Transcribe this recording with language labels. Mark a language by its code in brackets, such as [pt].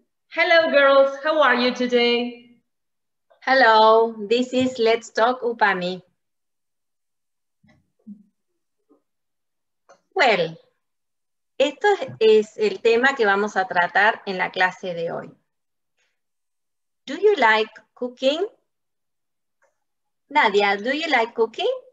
[en] Hello girls, how are you today? Hello, this is Let's Talk Upami. Well, [es] esto es el tema que vamos a tratar en la clase de hoy. [en] Do you like cooking? Nadia, do you like cooking?